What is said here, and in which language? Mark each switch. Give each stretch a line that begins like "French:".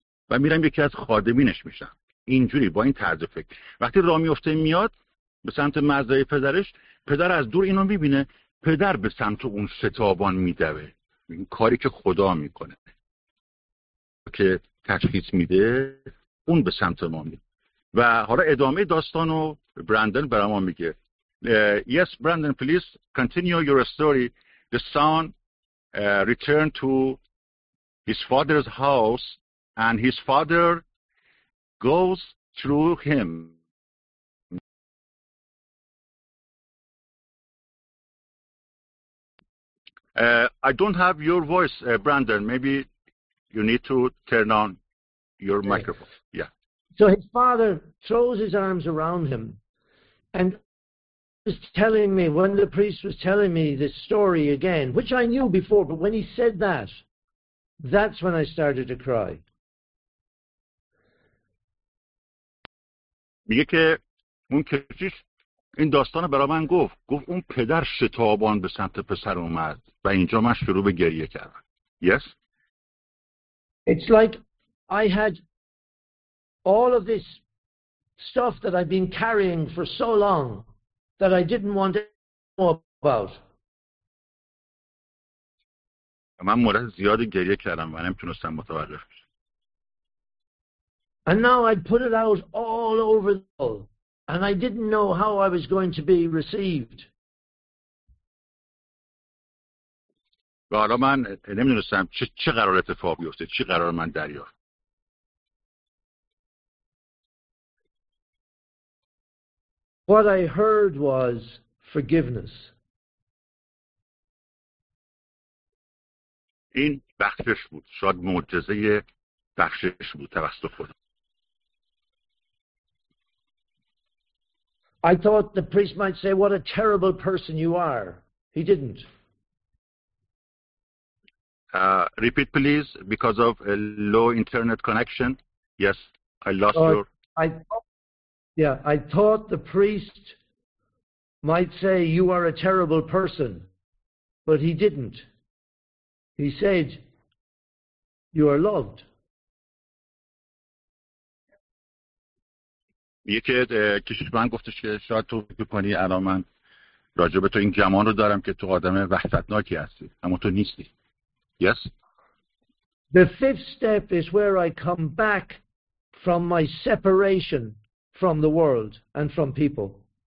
Persian: و میرم یکی از خادمینش میشم اینجوری با این طرز فکر وقتی راه میفته میاد به سمت مزرعه پدرش پدر از دور اینو میبینه پدر به سمت اون شتابان میدوه این کاری که خدا میکنه که تشخیص میده اون به سمت ما میده و حالا ادامه داستانو برندن برام میگه
English: yes, Brandon, please continue your story. The son returned to his father's house and his father goes through him. I don't have your voice, Brandon. Maybe you need to turn on your microphone. Yeah. So his father throws his arms around him and was telling me when the priest was telling me this story again, which I knew before, but when he said that, that's when I started to cry.
Persian: میگه که اون کشیش این داستان برای من گفت. گفت اون پدر شتابان به سمت پسر اومد و اینجا من شروع به گریه کردم. Yes?
English: It's like I had all of this stuff that I've been carrying for so long that I didn't want to know about.
Persian: من مدت زیادی گریه کردم و نمیتونستم متوقف کنم.
English: And now I'd put it out all over the world, and I didn't know how I was going to be received.
Persian: و حالا من نمیدونستم چه قرار اتفاق بیفته، چی قرار من دریافت.
English: What I heard was forgiveness.
Persian: این بخشش بود، شاید معجزه بخشش بود توسط خدا.
English: I thought the priest might say, "What a terrible person you are." He didn't. Repeat, please, because of a low internet connection. Yes, I lost your. I thought the priest might say, "You are a terrible person," but he didn't. He said, "You are loved."
Persian: یکی کشیش من گفتش که شاید تو فکر کنی الان من راجع به تو این گمان رو دارم که تو آدم وحشتناکی هستی، اما تو نیستی.
English: Yes. The fifth step is where I come back from my separation from the world and from people.